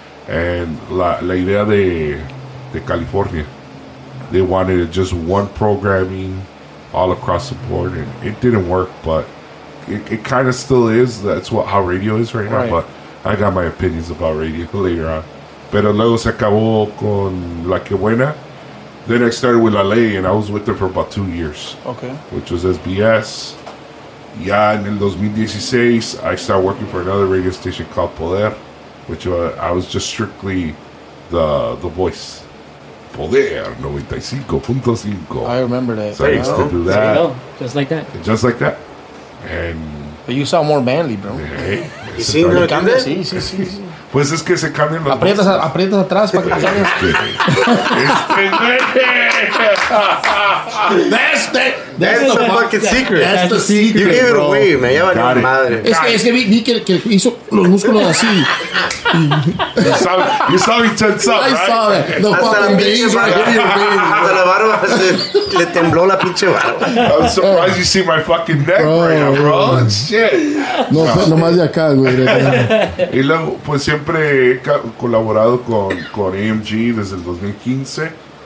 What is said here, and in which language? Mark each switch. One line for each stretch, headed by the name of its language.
English: And
Spanish: la idea de
English: California, they wanted just one programming all across the board, and it didn't work, but it kind of still is. That's how radio is right now. But I got my opinions about radio later on.
Spanish: Pero luego se acabó con La Que Buena.
English: Then I started with La Ley, and I was with them for about 2 years. Okay. Which was SBS. Yeah, and in 2016, I started working for another radio station called Poder, which I was just strictly the voice. Poder 95.5. I remember that. So I used to do that. There you go. Just like that. Just like that. And but you sound more manly, bro. Yeah.
Spanish: ¿Sí, no entiendes? Sí. Pues es que se cambian los aprietas bolsas. Aprietas atrás para que te cambies.
English: That's the fucking secret. That's the secret. You gave it away, man.
Spanish: Ya valió madre. Es que vi que hizo los músculos así.
English: You saw me tense up, right? I saw it. The fucking days right here, baby.
Spanish: Hasta la barba le tembló la pinche barba.
English: I'm surprised you see my fucking neck right now, bro. Shit.
Spanish: No más de acá, güey. Y luego, pues siempre he colaborado con AMG desde el 2015.